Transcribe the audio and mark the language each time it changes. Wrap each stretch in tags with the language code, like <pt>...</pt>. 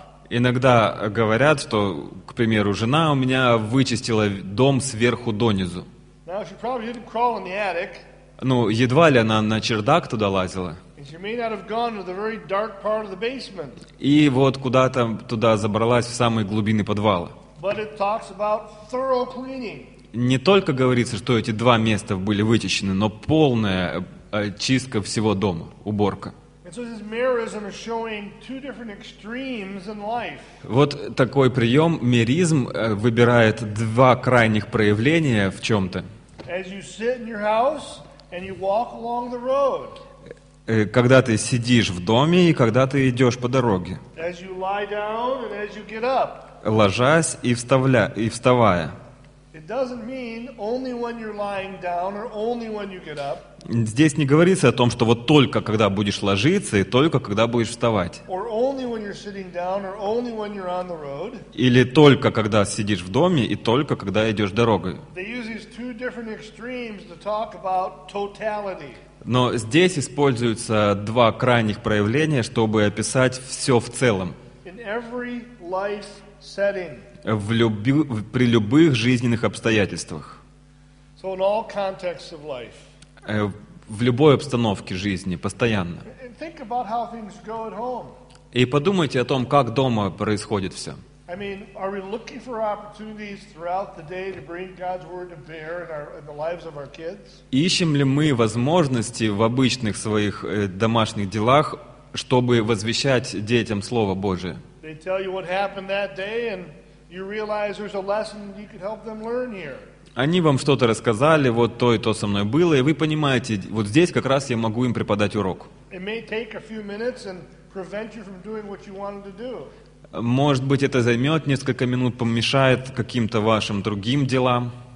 <ru>Иногда говорят, что, к примеру, жена у меня вычистила дом сверху донизу.</ru> <en>Now, she probably didn't crawl in the attic.</en> <ru>Ну, едва ли она на чердак туда лазила.</ru> <en>And she may not have gone to the very dark part of the basement.</en> <ru>И вот куда-то туда забралась в самые глубины подвала.</ru> <en>But it talks about thorough cleaning.</en> <ru>Не только говорится, что эти два места были вычищены, но полная чистка всего дома, уборка.</ru> <en>And so this merism is showing two different extremes in life.</en> <ru>Вот такой прием, меризм, выбирает два крайних проявления в чем-то.</ru> <en>As you sit in your house and you walk along the road.</en> <ru>Когда ты сидишь в доме и когда ты идешь по дороге.</ru> <en>As you lie down and as you get up.</en> <ru>Ложась и вставая.</ru> <en>It doesn't mean only when you're lying down or only when you get up.</en> <ru>Здесь не говорится о том, что вот только когда будешь ложиться и только когда будешь вставать.</ru> <en>Or only when you're sitting down or only when you're on the road.</en> <ru>Или только когда сидишь в доме и только когда идешь дорогой.</ru> <en>They use these two different extremes to talk about totality.</en> <ru>Но здесь используются два крайних проявления, чтобы описать все в целом.</ru> <en>In every life setting.</en> <ru>При любых жизненных обстоятельствах.</ru> <en>So in all contexts of life.</en> <ru>В любой обстановке жизни, постоянно.</ru> <en>And think about how things go at home.</en> <ru>И подумайте о том, как дома происходит все.</ru> <en>I mean, are we looking for opportunities throughout the day to bring God's word to bear in the lives of our kids?</en> <ru>Ищем ли мы возможности в обычных своих домашних делах, чтобы возвещать детям Слово Божие?</ru> <en>They tell you what happened that day, and you realize there's a lesson you could help them learn here.</en> <ru>Они вам что-то рассказали, вот то и то со мной было, и вы понимаете, вот здесь как раз я могу им преподать урок.</ru> <en>It may take a few minutes and prevent you from doing what you wanted to do.</en> <ru>Может быть, это займет несколько минут, помешает каким-то вашим другим делам.</ru>